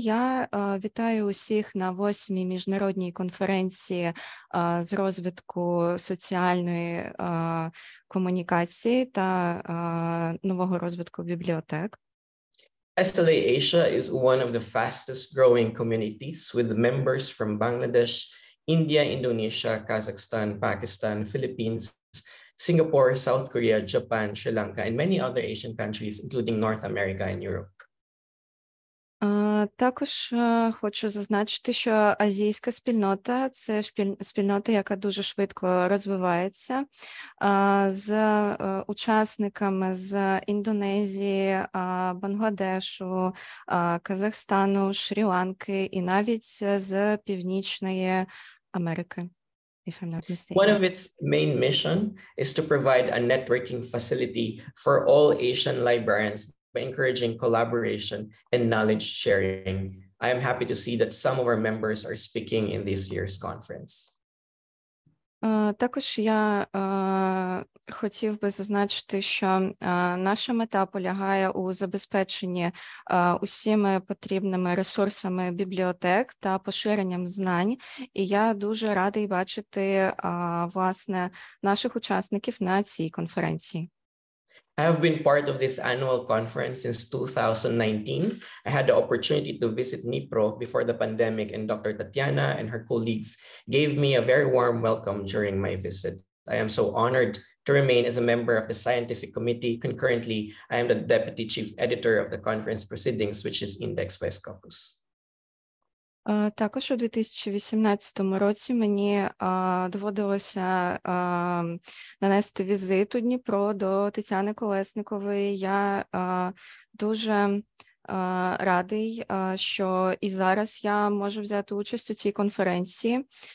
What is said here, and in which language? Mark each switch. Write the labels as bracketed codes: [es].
[uk] Я вітаю усіх на 8-й міжнародній конференції з розвитку соціальної комунікації та нового розвитку бібліотек. [en] SLA Asia is one of the fastest growing communities with members from Bangladesh, India, Indonesia, Kazakhstan, Pakistan, Philippines, Singapore, South Korea, Japan, Sri Lanka, and many other Asian countries, including North America and Europe. [uk] Також хочу зазначити, що азійська спільнота – це спільнота, яка дуже швидко розвивається. З учасниками з Індонезії, Бангладешу, Казахстану, Шрі-Ланки і навіть з Північної Америки. [en] If I'm not mistaken. One of its main mission is to provide a networking facility for all Asian librarians by encouraging collaboration and knowledge sharing. I am happy to see that some of our members are speaking in this year's conference. [uk] Також я хотів би зазначити, що наша мета полягає у забезпеченні усіми потрібними ресурсами бібліотек та поширенням знань. І я дуже радий бачити, власне, наших учасників на цій конференції. [en] I have been part of this annual conference since 2019. I had the opportunity to visit Dnipro before the pandemic, and Dr. Tatiana and her colleagues gave me a very warm welcome during my visit. I am so honored to remain as a member of the scientific committee. Concurrently, I am the deputy chief editor of the conference proceedings, which is indexed by Scopus. [uk] Також у 2018 році мені доводилося нанести візит у Дніпро до Тетяни Колесникової. Я дуже радий, що і зараз я можу взяти участь у цій конференції.